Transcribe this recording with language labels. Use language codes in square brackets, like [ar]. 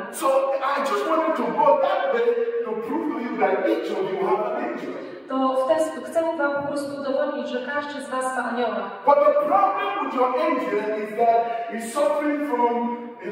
[en] So I just wanted to go that way to prove to you that each of you have an angel. [pl] To w ten sposób chcę wam po prostu udowodnić, że każdy z was ma anioła. [en] But the problem with your angel is that he's suffering from